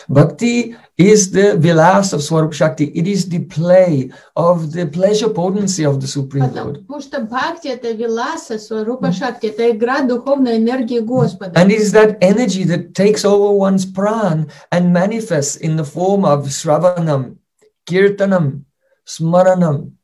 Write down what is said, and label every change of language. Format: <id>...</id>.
<en>Bhakti is the vilas of Swarup Shakti. It is the play of the pleasure potency of the Supreme Lord.</en> <ru>Потому что бхакти — это виласа Сварупа Шакти, это игра духовной энергии Господа.</ru> <en>And it is that energy that takes over one's pran and manifests in the form of shravanam, kirtanam, smaranam.</en>